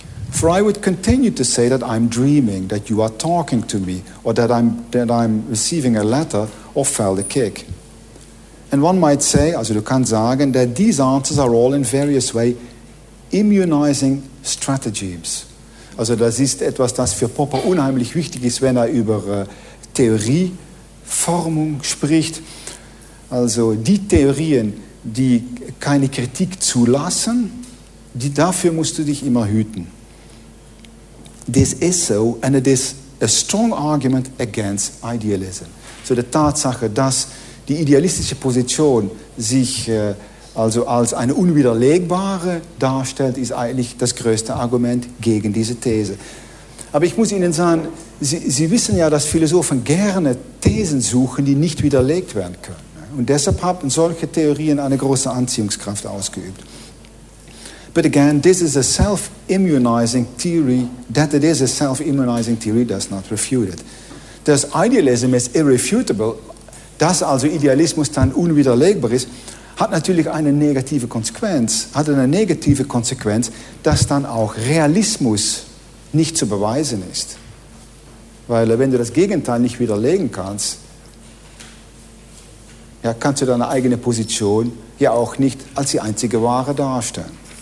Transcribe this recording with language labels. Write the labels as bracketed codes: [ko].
[en] For I would continue to say that I'm dreaming, that you are talking to me, or that I'm receiving a letter, or felt a kick. And one might say, [de] also du kannst sagen, [en] that these answers are all in various way immunizing strategies. [de] Also das ist etwas, das für Popper unheimlich wichtig ist, wenn er über Theorieformung spricht. Also die Theorien, die keine Kritik zulassen, die dafür musst du dich immer hüten. [en] This is so, and it is a strong argument against idealism. [de] So die Tatsache, dass die idealistische Position sich also als eine unwiderlegbare darstellt, ist eigentlich das größte Argument gegen diese These. Aber ich muss Ihnen sagen, Sie wissen ja, dass Philosophen gerne Thesen suchen, die nicht widerlegt werden können. Und deshalb haben solche Theorien eine große Anziehungskraft ausgeübt. [en] But again, this is a self-immunizing theory. That it is a self-immunizing theory does not refute it. Thus, idealism is irrefutable. [de] Dass also Idealismus dann unwiderlegbar ist, hat natürlich eine negative Konsequenz. Hat eine negative Konsequenz, dass dann auch Realismus nicht zu beweisen ist. Weil wenn du das Gegenteil nicht widerlegen kannst, ja, kannst du deine eigene Position ja auch nicht als die einzige wahre darstellen.